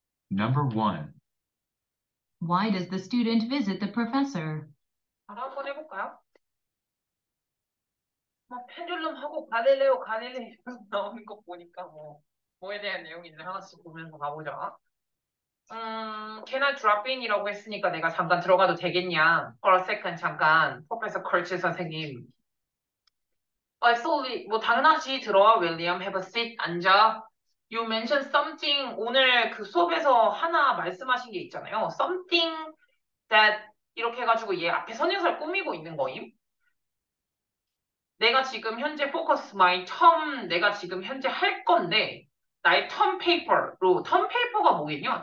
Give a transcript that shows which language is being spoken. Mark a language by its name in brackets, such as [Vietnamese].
[English] 1. Why does the student visit the professor? [Korean] 바로 한번 해볼까요? 막 펜듈럼 하고 갈릴레오 갈릴레이 나오는 거 보니까 뭐에 대한 내용이 있는지 하나씩 보면서 가보자. [English] Can I drop in [Korean] 이라고 했으니까 내가 잠깐 들어가도 되겠냐? [English] For a second, [Korean] 잠깐. Professor Kurtz 선생님. [English] Absolutely. [Korean] 뭐 당연하지. 들어와, William. [English] Have a seat. [Korean] 앉아. [English] You mentioned something [Korean] 오늘 그 수업에서 하나 말씀하신 게 있잖아요. [English] Something that [Korean] 이렇게 해가지고 얘 앞에 선행사를 꾸미고 있는 거임. 내가 지금 현재 [English] focus my term [Korean] 내가 지금 현재 할 건데 나의 term paper로 term paper가 뭐겠냐?